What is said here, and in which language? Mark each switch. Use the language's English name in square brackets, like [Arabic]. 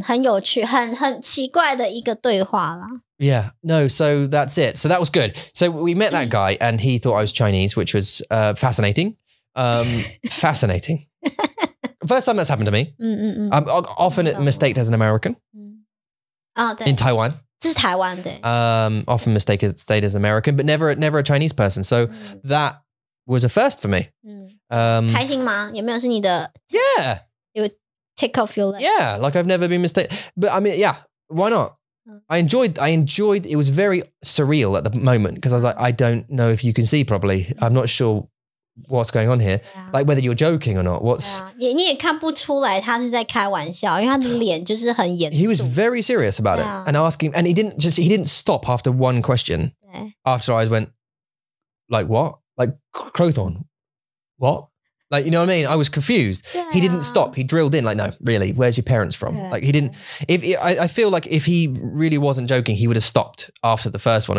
[Chinese] 很有趣，很奇怪的一个对话啦。 [English] Yeah, no, so that's it. So that was good. So we met that guy and he thought I was Chinese, which was fascinating. Fascinating. First time that's happened to me. Mm-hmm. I'm often mistaken as an American. Oh, in Taiwan. This is Taiwan, often mistaken as American, but never a Chinese person. So that was a first for me. [Chinese] Mm. 开心吗?有没有是你的... [English] Yeah. It would tick off your leg. Yeah, like I've never been mistaken. But I mean, yeah, why not? I enjoyed, it was very surreal at the moment because I was like, I don't know if you can see properly. I'm not sure what's going on here. Yeah. Like whether you're joking or not. What's... Yeah. [Chinese] 你也看不出来他是在开玩笑,因为他的脸就是很严肃。 [English] He was very serious about it and asking, and he didn't stop after one question. Yeah. After I went, like what? Like Crowthorn, what? Like, you know what I mean? I was confused. Yeah. He didn't stop. He drilled in like, no, really, where's your parents from? Yeah. Like he didn't, I feel like if he really wasn't joking, he would have stopped after the first one.